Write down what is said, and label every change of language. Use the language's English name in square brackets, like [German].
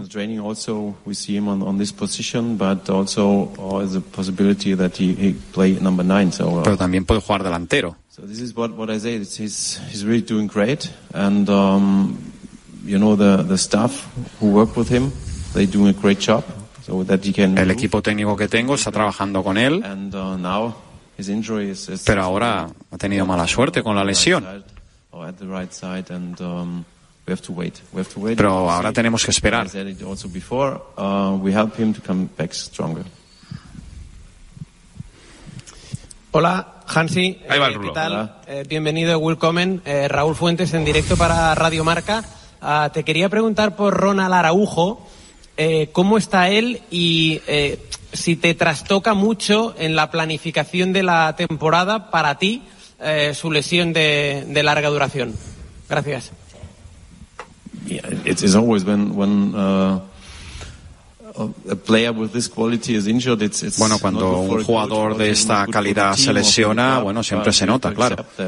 [English] In training also we see him on this position, but also is a possibility that he play number 9, so [Spanish] pero también puede jugar delantero. [English] So this is what I said. He's really doing great, and you know the staff who work with him, they doing a great job. So that he can. [Spanish] El equipo técnico que tengo está trabajando con él. [English] And now his injury is. [Spanish] Pero ahora ha tenido mala suerte con la lesión. [English] Or at the right side, and we have to wait. We have to wait. [Spanish] Pero ahora tenemos que esperar. [English] I said it also before. We help him to come back stronger. [Spanish] Hola, Hansi. Ahí va el rulo. ¿Qué tal? Bienvenido, welcome. Raúl Fuentes en directo para Radio Marca. Te quería preguntar por Ronald Araújo. ¿Cómo está él? Y si te trastoca mucho en la planificación de la temporada para ti su lesión de larga duración. Gracias. [English] Yeah, it's always been when a player with this quality is injured, it's [Spanish] bueno, cuando un jugador de esta calidad se lesiona, bueno, siempre se nota, claro.